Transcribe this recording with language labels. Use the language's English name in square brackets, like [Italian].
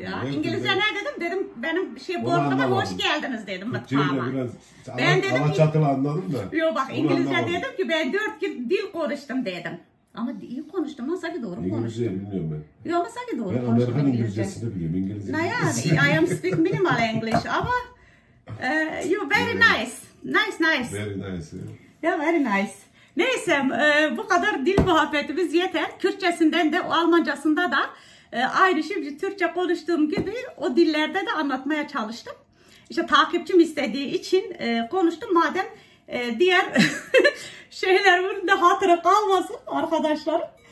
[Turkish] Ya İngilizce ne dedim? Dedim benim şey borduma hoş geldiniz dedim. Türkçe'yi biraz ben dedim ki, çatılı anladım da. Yok bak İngilizce anlamadım. Dedim ki ben dört dil konuştum dedim. Ama iyi konuştum ama sanki doğru İngilizce konuştum. İngilizce bilmiyorum ben. Yok ama sanki doğru ben konuştum. Ben Amerikan İngilizcesini biliyorum. İngilizce. [English] Naya, I am speak minimal English [Turkish] ama [English] you very nice. Nice, nice. Very nice. Yeah, yeah very nice. [Turkish] Neyse bu kadar dil muhabbetimiz yeter. Kürtçesinden de Almancasında da aynı şimdi Türkçe konuştuğum gibi o dillerde de anlatmaya çalıştım. İşte takipçim istediği için konuştum. Madem diğer şeyler burada hatıra kalmasın arkadaşlarım.